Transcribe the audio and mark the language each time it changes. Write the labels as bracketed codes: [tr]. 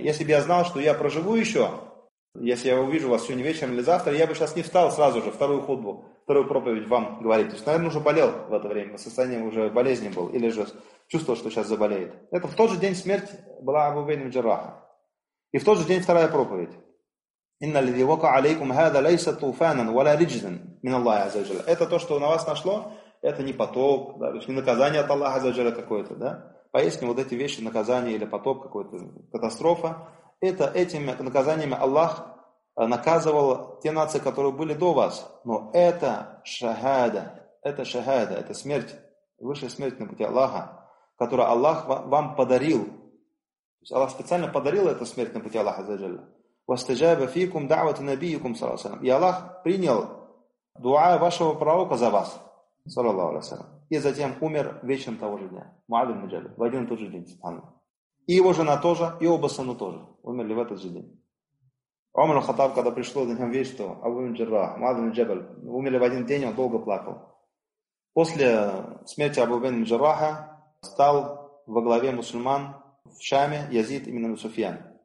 [ru] Если бы я знал, что я проживу еще, если я увижу вас сегодня вечером или завтра, я бы сейчас не встал сразу же вторую хутбу, вторую проповедь вам говорить. То есть, наверное, уже болел в это время, состояние уже болезни был, или же чувствовал, что сейчас заболеет. Это в тот же день смерти была Абу Убейда Джарраха. И в тот же день вторая проповедь. [ar] إن الذي وقع عليكم هذا ليس طوفانا ولا رجزا من الله عز وجل. [ru] Это то, что на вас нашло, это не потоп, да, то есть не наказание от Аллаха [ar] عز وجل [ru] какое-то, да? Поясни вот эти вещи, наказание или потоп какой-то, катастрофа, это этими наказаниями Аллах наказывал те нации, которые были до вас. Но это шахада, это шахада, это смерть, высшая смерть на пути Аллаха, которую Аллах вам подарил. То есть Аллах специально подарил эту смерть на пути Аллаха [ar] عز وجل. وَاسْتَجَابَ فِيكُمْ دَعْوَةِ نَبِيِّكُمْ صَلَى اللَّهُ عَلَى سَلَمْ. [ru] И Аллах принял дуа вашего пророка за вас, [ar] صلى الله عليه وسلم. [ru] И затем умер вечером того же дня. Муаль ибн Джабир. В один и тот же день, субханна. И его жена тоже, и оба сына тоже. Умерли в этот же день. Умар аль-Хаттаб, когда пришло на нем вещь, что Абу ибн Джаррах, Муаль ибн Джабир, умерли в один день, он долго плакал. После смерти Абу ибн Джарраха стал во главе мусульман в Шаме Язид ибн Суфьян.